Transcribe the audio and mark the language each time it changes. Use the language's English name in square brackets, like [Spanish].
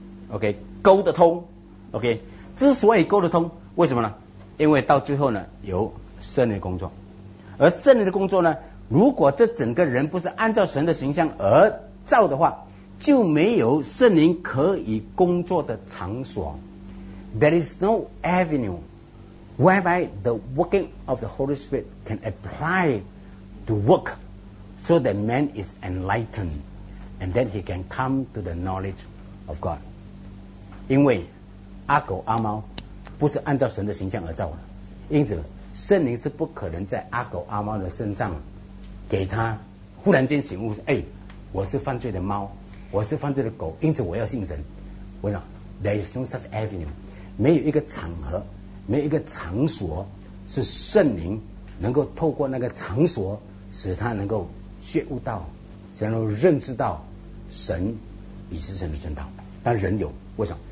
[Chinese] OK， 沟得通。OK，之所以沟得通，为什么呢？因为到最后呢，有圣灵的工作，而圣灵的工作呢，如果这整个人不是按照神的形象而造的话，就没有圣灵可以工作的场所。 [English] There is no avenue whereby the working of the Holy Spirit can apply to work so that man is enlightened and then he can come to the knowledge of God. [Chinese] 因为阿狗阿猫不是按照神的形象而造的，因此圣灵是不可能在阿狗阿猫的身上给他忽然间醒悟说，哎，我是犯罪的猫，我是犯罪的狗，因此我要信神。我想 [English] There is no such avenue， [Chinese] 没有一个场合，没有一个场所是圣灵能够透过那个场所使他能够觉悟到，使他能够认识到神已是神的正道。但人有，为什么？